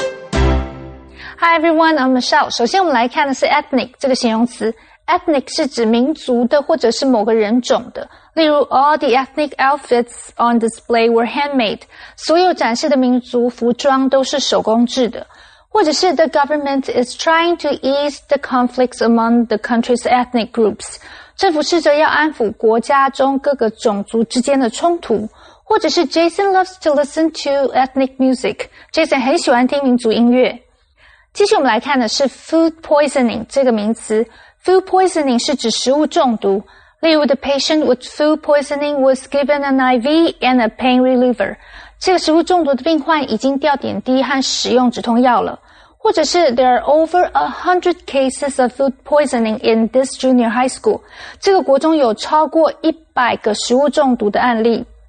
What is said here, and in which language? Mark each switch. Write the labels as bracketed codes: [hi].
[en] Hi everyone, I'm Michelle. [zh] 首先我们来看的是 ethnic 这个形容词。 Ethnic 是指民族的或者是某个人种的。例如 [en] ,all the ethnic outfits on display were handmade. [zh] 所有展示的民族服装都是手工制的。或者是 [en] the government is trying to ease the conflicts among the country's ethnic groups. [zh] 政府试着要安抚国家中各个种族之间的冲突。或者是 [en] Jason loves to listen to ethnic music. [zh] Jason 很喜欢听民族音乐。继续我们来看的是 food poisoning 这个名词。 Food poisoning 是指食物中毒。例如 [en] the patient with food poisoning was given an IV and a pain reliever. [zh] 这个食物中毒的病患已经吊点滴和使用止痛药了。或者是 [en] there are over 100 cases of food poisoning in this junior high school. [zh] 这个国中有超过100个食物中毒的案例。